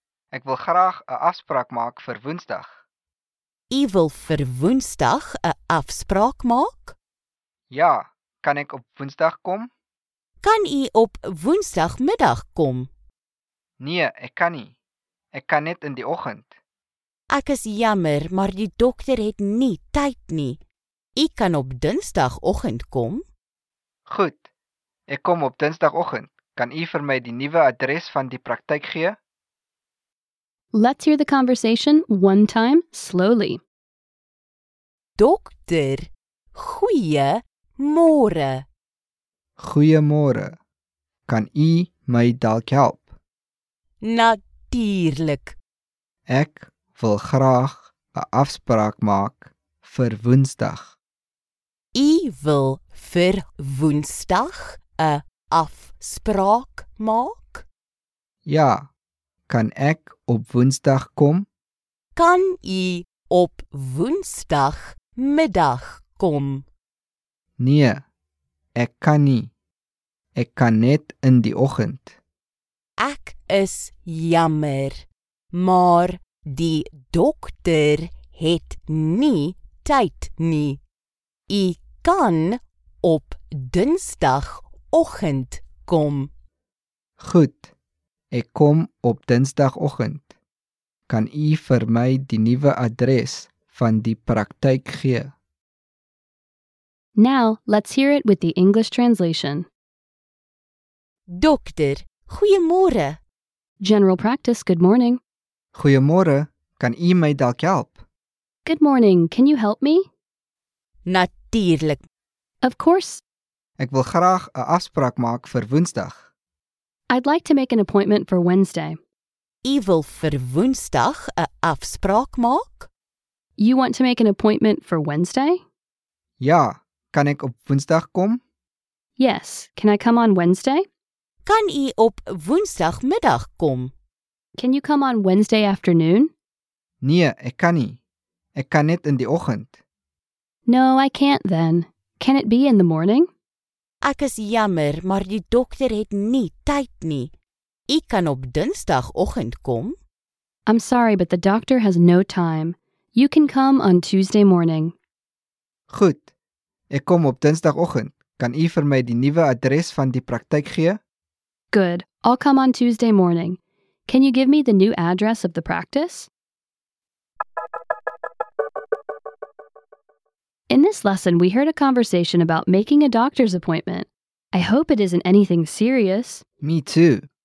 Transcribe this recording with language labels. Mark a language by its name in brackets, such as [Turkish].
[Afrikaans] Ek wil graag 'n afspraak maak vir Woensdag. U wil vir Woensdag 'n afspraak maak? Ja, kan ek op Woensdag kom? Kan u op Woensdagmiddag kom? Nee, ek kan nie. Ek kan net in die oggend. Ek is jammer, maar die dokter het nie tyd nie. U kan op Dinsdagoggend kom. Goed. Ek kom op Dinsdagoggend. Kan u vir my die nuwe adres van die praktyk gee? [English] Let's hear the conversation one time slowly. [Afrikaans] Dokter, goeie môre. Goeie môre. Kan u my dalk help? Natuurlik. Ek wil graag 'n afspraak maak vir Woensdag. U wil vir Woensdag 'n afspraak maak? Ja, kan ek op Woensdag kom? Kan u op Woensdag middag kom? Nee, ek kan nie. Ek kan net in die oggend. Ek is jammer, maar die dokter het nie tyd nie. U kan op Dinsdagoggend kom. Goed, ek kom op Dinsdagoggend. Kan u vir my die nuwe adres van die praktyk gee? [English] Now, let's hear it with the English translation. [Afrikaans] Dokter, goeiemôre. [English] General practice, good morning. [Afrikaans] Goeiemôre, kan u my dalk help? [English] Good morning, can you help me? [Afrikaans] Natuurlik. [English] Of course. [Afrikaans] Ek wil graag 'n afspraak maak vir Woensdag. [English] I'd like to make an appointment for Wednesday. [Afrikaans] U wil vir Woensdag 'n afspraak maak? [English] You want to make an appointment for Wednesday? [Afrikaans] Ja, kan ek op Woensdag kom? [English] Yes, can I come on Wednesday? [Afrikaans] Kan u op Woensdagmiddag kom? [English] Can you come on Wednesday afternoon? [Afrikaans] Nee, ek kan nie. Ek kan net in die oggend. [English] No, I can't then. Can it be in the morning? [Afrikaans] Ek is jammer, maar die dokter het nie tyd nie. U kan op Dinsdagoggend kom. [English] I'm sorry, but the doctor has no time. You can come on Tuesday morning. [Afrikaans] Goed. Ek kom op Dinsdagoggend. Kan u vir my die nuwe adres van die praktyk gee? [English] Good. I'll come on Tuesday morning. Can you give me the new address of the practice? In this lesson, we heard a conversation about making a doctor's appointment. I hope it isn't anything serious. Me too.